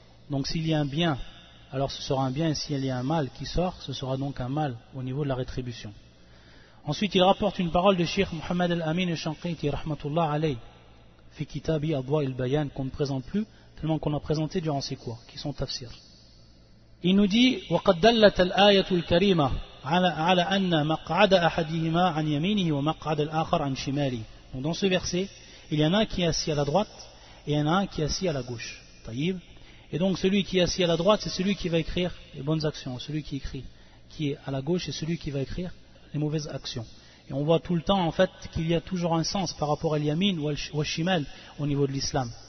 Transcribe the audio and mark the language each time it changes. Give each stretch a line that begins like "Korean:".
French: Donc s'il y a un bien, alors ce sera un bien, et s'il y a un mal qui sort, ce sera donc un mal au niveau de la rétribution. Ensuite, il rapporte une parole de Cheikh Mohamed Al-Amin Al-Shanqiti, rahmatullah alayhi, fi kitabi Adwa al-Bayan, qu'on ne présente plus, tellement qu'on a présenté durant ces cours, qui sont tafsir. Il nous dit,
Arabic: « وَقَدْ دَلَّتَ الْآيَةُ الْكَرِيمَةُ عَلَى أَنَّ مَقْعَدَ أَحَدِهِمَا عَنْ يَمِينِهِ وَمَقْعَدَ الْآخَرَ عَنْ شِمَالِهِ.
French: Donc dans ce verset, il y en a un qui est assis à la droite et il y en a un qui est assis à la gauche. Taïb. Et donc celui qui est assis à la droite, c'est celui qui va écrire les bonnes actions. Celui qui écrit, qui est à la gauche, c'est celui qui va écrire les mauvaises actions. Et on voit tout le temps en fait qu'il y a toujours un sens par rapport à l'yamin ou à shimal au niveau de l'islam.